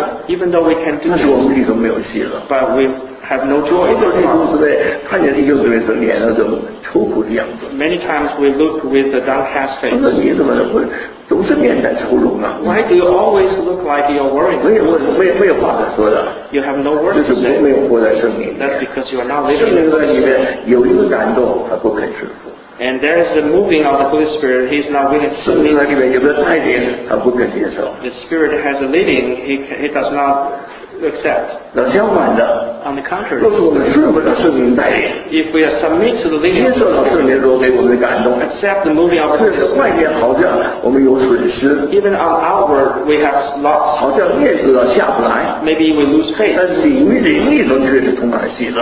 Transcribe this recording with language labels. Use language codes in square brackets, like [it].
[en] Even though we can do this, but we have no joy. [zh] 很多弟兄姊妹看见弟兄姊妹是脸上这么愁苦的样子。 [en] Many times we look with a downcast face. [zh] 那你怎么会总是面带愁容啊 [en] ？Why do you always look like you're worried? [zh] 没有话可说的。 [en] You have no words. [zh] 就是我没有活在圣灵。 [en] That's because you are not living. [zh] 圣灵在里面有一个感动，他不肯顺服。 [en] And there is the moving of the Holy Spirit. He is not willing to. [zh] 圣灵在里面有个带领，他不肯接受。 [en] The Spirit has a leading. He does not. accept. [zh] 那相反的。 [en] On the contrary. [zh] 若是我们顺服了圣灵带领。 [en] If we are submit to the leading. [zh] 接受了圣灵所给我们的感动。 [en] Accept the moving of the Spirit. [zh] 外面好像我们有损失。 [en] Even on outward we have lost. [zh] 好像面子下不来。 [en] Maybe we lose faith. [zh] 但是里面灵力中却是充满喜乐。